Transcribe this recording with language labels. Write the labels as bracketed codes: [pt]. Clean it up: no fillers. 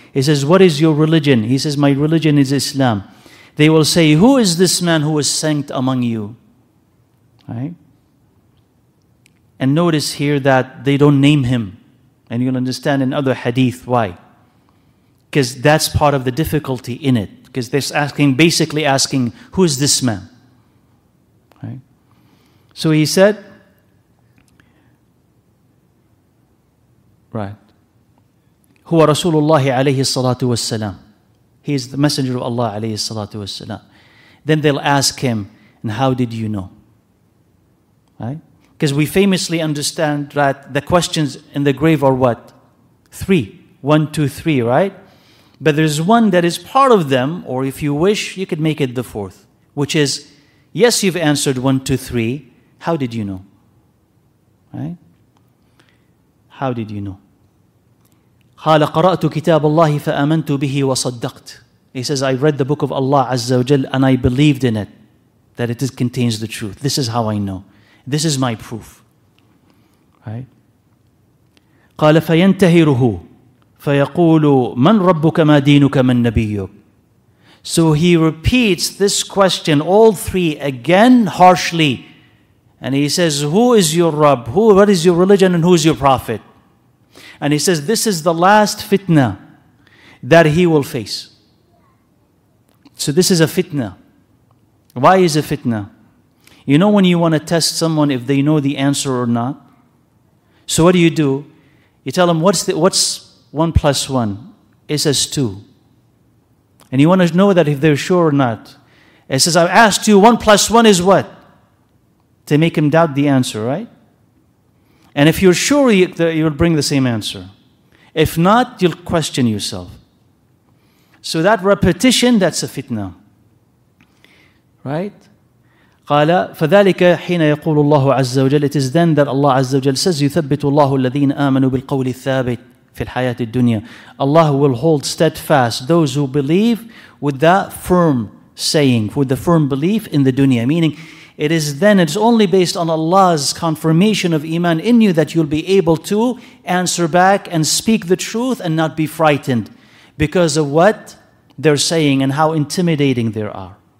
[en] He says, what is your religion? He says, my religion is Islam. They will say, who is this man who is sanct among you? Right? And notice here that they don't name him. And you'll understand in other hadith why. Because that's part of the difficulty in it. Because they're asking, basically asking, who is this man? Right? So he said, right, [ar] هو رسول الله عليه الصلاة والسلام. [en] He is the messenger of Allah [ar] عليه الصلاة والسلام. [en] Then they'll ask him, and how did you know? Right? Because we famously understand that the questions in the grave are what? Three. One, two, three, right? But there's one that is part of them, or if you wish, you could make it the fourth, which is, yes, you've answered one, two, three. How did you know? Right? How did you know? [ar] قال قرأت كتاب الله فأمنت به وصدقت. [en] He says, I read the book of Allah Azza wa Jal and I believed in it, that it contains the truth. This is how I know. This is my proof. Right? [ar] قال فينتهره فيقول من ربك ما دينك من نبيك. [en] So he repeats this question, all three, again harshly. And he says, who is your Rabb? What is your religion and who is your prophet? And he says, this is the last fitna that he will face. So this is a fitna. Why is a fitna? You know when you want to test someone if they know the answer or not? So what do? You tell them, what's 1 plus 1? It says 2. And you want to know that if they're sure or not. It says, I've asked you, 1 plus 1 is what? To make him doubt the answer, right? And if you're sure, you'll bring the same answer. If not, you'll question yourself. So that repetition, that's a fitna. Right? [ar] قال فذلك حين يقول الله عز وجل. [en] It is then that Allah [ar] عز وجل [en] says, [ar] يثبت الله الذين آمنوا بالقول الثابت في الحياة الدنيا. [en] Allah will hold steadfast those who believe with that firm saying, with the firm belief in the dunya. Meaning, it is then, it's only based on Allah's confirmation of iman in you that you'll be able to answer back and speak the truth and not be frightened because of what they're saying and how intimidating they are.